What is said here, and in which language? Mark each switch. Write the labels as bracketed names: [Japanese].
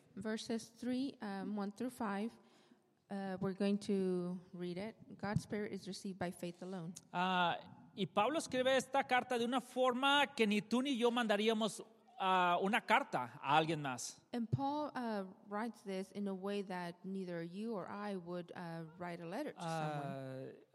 [English] Verses 3:1-5, we're going to read it. God's Spirit is received by faith alone. [Spanish] Y Pablo escribe esta carta de una forma que ni tú ni yo mandaríamos una carta a alguien más. [English] And Paul writes this in a way that neither you or I would write a letter to someone.